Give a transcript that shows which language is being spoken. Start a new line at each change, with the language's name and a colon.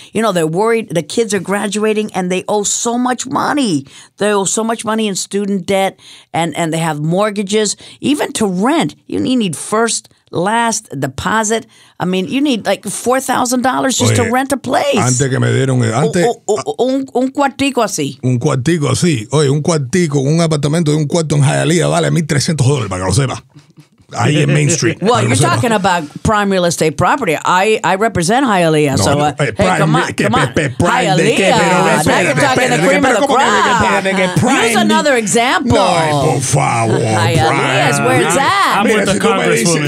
English: You know, they're worried the kids are graduating and they owe so much money. They owe so much money in student debt and they have mortgages, even to rent. You need first, last deposit. I mean, you need like $4,000 just to rent a place.
Spanish: Antes que me dieron, un cuartico así. Un cuartico así. Oye, un cuartico, un apartamento de un cuarto en Hialeah vale $1,300 para que lo sepa. Ahí en Main Street.
English: Well, you're talking about prime real estate property. I represent Hialeah, Hialeah. Use another example.
Spanish: No, por favor.
English: Hialeah is where it's at. I'm with the Congresswoman.